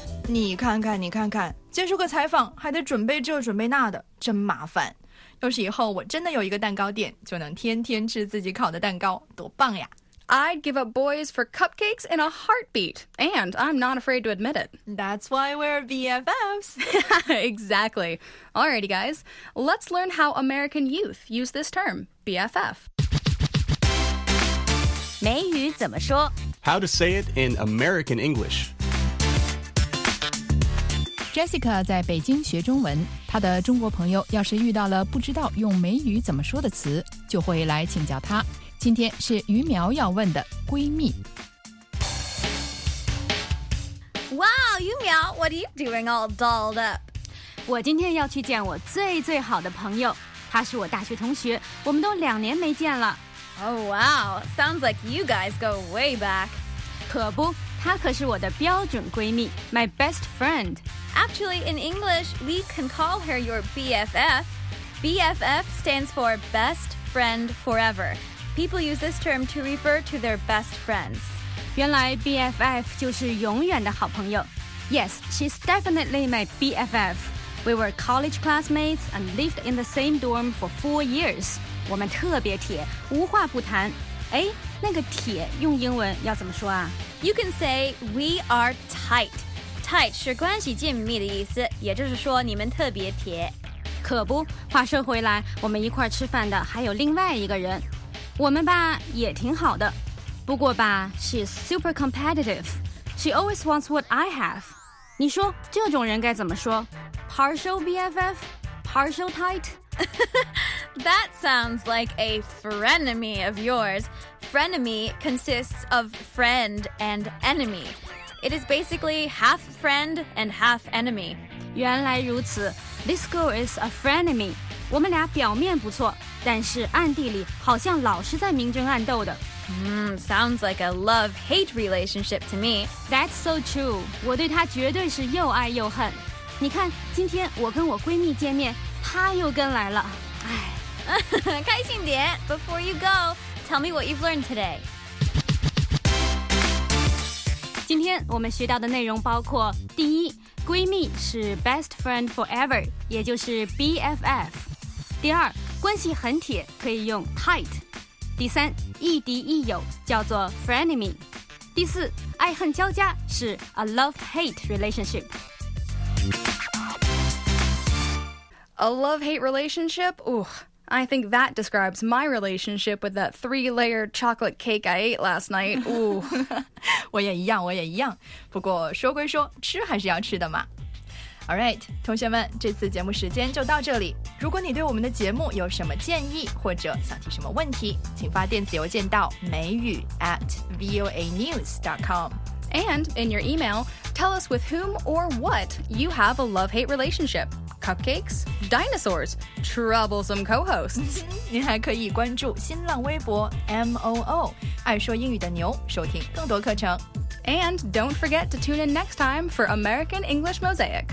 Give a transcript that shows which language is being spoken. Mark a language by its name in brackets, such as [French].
[Chinese] 你看看，你看看，接受个采访还得准备这准备那的，真麻烦。要是以后我真的有一个蛋糕店，就能天天吃自己烤的蛋糕，多棒呀！ [English] I'd give up boys for cupcakes in a heartbeat, and I'm not afraid to admit it. That's why we're BFFs. Exactly. Alrighty, guys, let's learn how American youth use this term, BFF. [Chinese] 美语怎么说？ [English] How to say it in American English. [Chinese] Jessica 在北京学中文，她的中国朋友要是遇到了不知道用美语怎么说的词，就会来请教她。今天是于苗要问的闺蜜。 [English] Wow, 于苗 what are you doing all dolled up? [Chinese] 我今天要去见我最最好的朋友，她是我大学同学，我们都两年没见了。 [English] Oh wow, sounds like you guys go way back. [Chinese] 可不，她可是我的标准闺蜜 ， [English] my best friend. Actually, in English, we can call her your BFF. BFF stands for Best Friend Forever. People use this term to refer to their best friends. [Chinese] 原来 BFF 就是永远的好朋友。 [English] Yes, she's definitely my BFF. We were college classmates and lived in the same dorm for 4 years. [Chinese] 我们特别铁，无话不谈。哎，那个铁用英文要怎么说啊？ [English] You can say we are tight. [Chinese] Tight 是关系紧密的意思，也就是说你们特别铁。可不，话说回来，我们一块吃饭的还有另外一个人，我们吧也挺好的，不过吧 [English] she's super competitive. She always wants what I have. [Chinese] 你说这种人该怎么说？ [English] Partial BFF? Partial tight? That sounds like a frenemy of yours. Frenemy consists of friend and enemy. It is basically half friend and half enemy. [Chinese] 原来如此 [English] This girl is a frenemy. [Chinese] 我们俩表面不错，但是暗地里好像老是在明争暗斗的。 [English] Sounds like a love-hate relationship to me. That's so true. [Chinese] 我对她绝对是又爱又恨。你看，今天我跟我闺蜜见面，她又跟来了。哎，开心点。 [English] Before you go, tell me what you've learned today. [Chinese] 今天我们学到的内容包括第一闺蜜是 best friend forever 也就是 BFF 第二关系很铁可以用 tight 第三亦敌亦友叫做 frenemy 第四爱恨交加是 a love-hate relationship [English] A love-hate relationship? Ooh, I think that describes my relationship with that 3-layered chocolate cake I ate last night Ooh [Chinese] 我也一样，我也一样。不过说归说，吃还是要吃的嘛。 [English] All right, [Chinese] 同学们，这次节目时间就到这里。如果你对我们的节目有什么建议，或者想提什么问题，请发电子邮件到美语@voanews.com. [English] And in your email, tell us with whom or what you have a love-hate relationship. Cupcakes? Dinosaurs? Troublesome co-hosts? [Chinese] 您还可以关注新浪微博 MOO. 爱说英语的牛，收听更多课程。 [English] And don't forget to tune in next time for American English Mosaic.